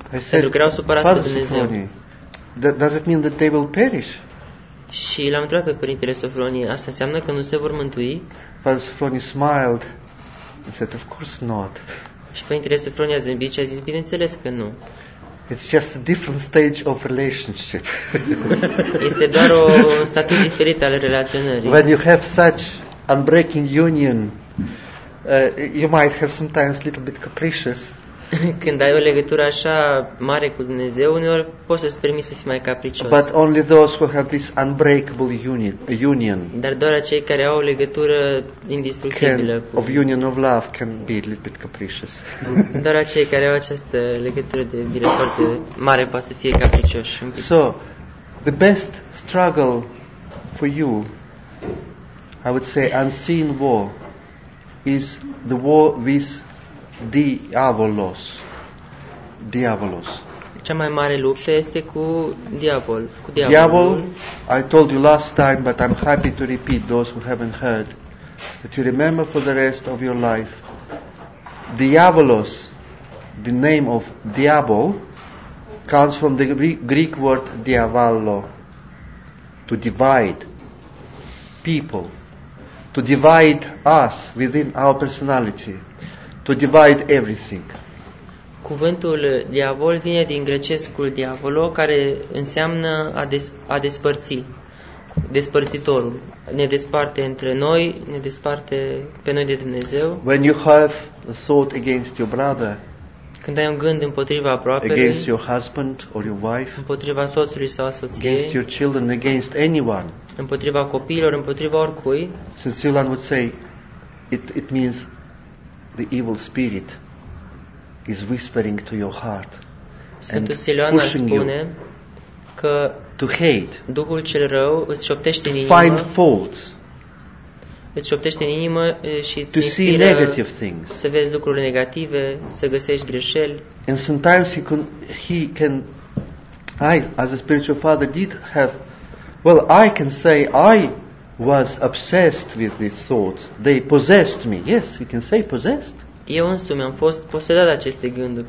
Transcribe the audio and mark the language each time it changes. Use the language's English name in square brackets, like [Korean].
[Romanian] Pentru că erau supărați pe Dumnezeu. [English] Does it mean that they will perish? [Romanian] Și l-am întrebat pe părintele Sofronie, asta înseamnă că nu se vor mântui? [English] Father Sofronie smiled and said, of course not. [Romanian] Și părintele Sofronie a zâmbit și a zis, bineînțeles că nu. [English] It's just a different stage of relationship. [Romanian] Este doar o stadiu diferit al relaționării. [English] When you have such unbreaking union, you might have sometimes a little bit capricious. [Romanian] Când ai o legătură așa mare cu Dumnezeu, uneori poți să-ți permiți să fii mai capricios. [English] But only those who have this unbreakable union. [Romanian] Dar doar cei care au o legătură indestructibilă cu [English] of union of love can be a little bit capricious. [Romanian] Doar cei care au această legătură de iubire foarte mare poate să fie capricioși. [English] So, the best struggle for you, I would say unseen war, is the war with Diavolos. [Romanian] Cea mai mare luptă este cu diavol, cu diavolul. [English] Diavol, I told you last time, but I'm happy to repeat those who haven't heard, that you remember for the rest of your life. Diavolos, the name of diabol, comes from the Greek word diavallo, to divide people, to divide us within our personality. To divide everything. [Romanian] Cuvântul diavol vine din grecescul diavolo, care înseamnă a despărți, despărțitorul. Ne desparte între noi, ne desparte pe noi de Dumnezeu. [English] When you have a thought against your brother, [Romanian] când ai un gând împotriva aproapelui, [English] against your husband or your wife, [Romanian] împotriva soțului sau soției, [English] against your children, against anyone, [Romanian] împotriva copiilor, împotriva oricui, [English] since Yulan would say, it means the evil spirit is whispering to your heart. [Romanian] Sfântul Siloan spune că [English] to hate, [Romanian] Duhul cel rău îți șoptește în inimă, [English] find faults, [Romanian] îți șoptește în inimă și [English] to see negative things, [Romanian] să vezi lucruri negative, să găsești greșeli. [English] And sometimes he can, I as a spiritual father did have, well, I can say I was obsessed with these thoughts. They possessed me. Yes, you can say possessed. [Romanian] Eu însumi am fost posedat de aceste gânduri.